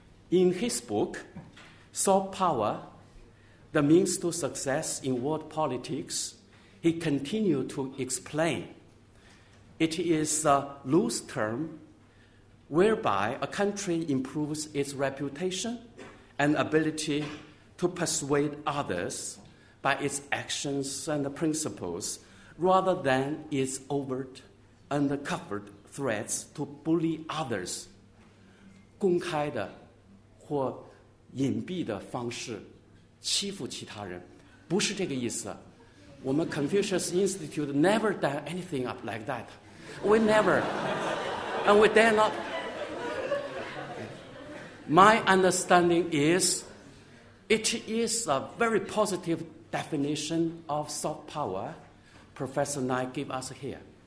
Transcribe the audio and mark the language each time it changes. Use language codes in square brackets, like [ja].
[en] In his book, Soft Power, The Means to Success in World Politics, he continued to explain it is a loose term whereby a country improves its reputation and ability to persuade others by its actions and principles rather than its overt and covert threats to bully others. [zh] 公开的 或隐蔽的方式欺负其他人，不是这个意思。我们 [en] Confucius Institute never done anything up like that. We never, and we dare not. My understanding is, it is a very positive definition of soft power Professor Nai gave us here.